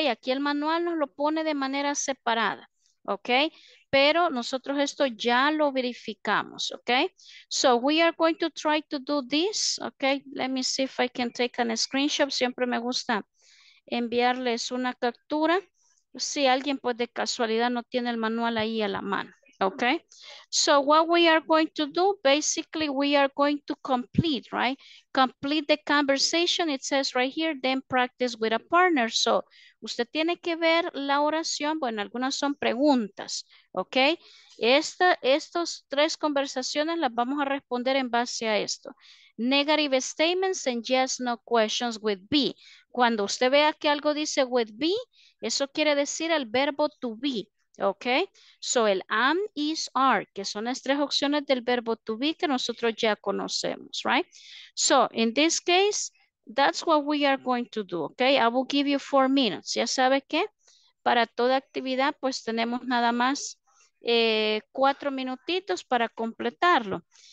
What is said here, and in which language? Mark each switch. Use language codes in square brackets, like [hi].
[es] Aquí el manual nos lo pone de manera separada, ¿ok? Pero nosotros esto ya lo verificamos, okay? [en] So we are going to try to do this, okay? Let me see if I can take a screenshot. [es] Siempre me gusta enviarles una captura. Si alguien pues de casualidad no tiene el manual ahí a la mano, okay? [en] So what we are going to do, basically we are going to complete, right? Complete the conversation, it says right here, then practice with a partner. [es] So usted tiene que ver la oración, bueno, algunas son preguntas, ¿ok? Estos tres conversaciones las vamos a responder en base a esto. [en] Negative statements and yes, no questions with be. [es] Cuando usted vea que algo dice with be, eso quiere decir el verbo to be, ¿ok? So el am, is, are, que son las tres opciones del verbo to be que nosotros ya conocemos, right? [en] So in this case, that's what we are going to do, okay? I will give you 4 minutes. [es] Ya sabe que para toda actividad, pues tenemos nada más 4 minutitos para completarlo.